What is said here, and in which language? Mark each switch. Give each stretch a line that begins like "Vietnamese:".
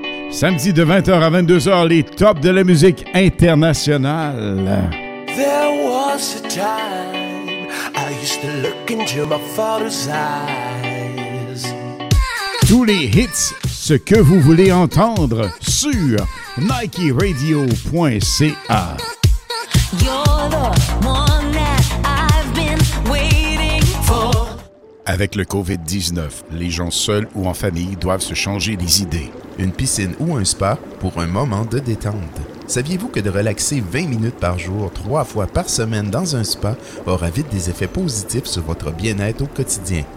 French: Samedi de 20h à 22h, les tops de la musique internationale.
English: There was a time I used to look into my father's eyes.
French: Tous les hits, ce que vous voulez entendre sur NikeRadio.ca.
English: You're the one that I've been waiting for.
French: Avec le COVID-19, les gens seuls ou en famille doivent se changer les idées. Une piscine ou un spa pour un moment de détente. Saviez-vous que de relaxer 20 minutes par jour, 3 fois par semaine dans un spa, aura vite des effets positifs sur votre bien-être au quotidien?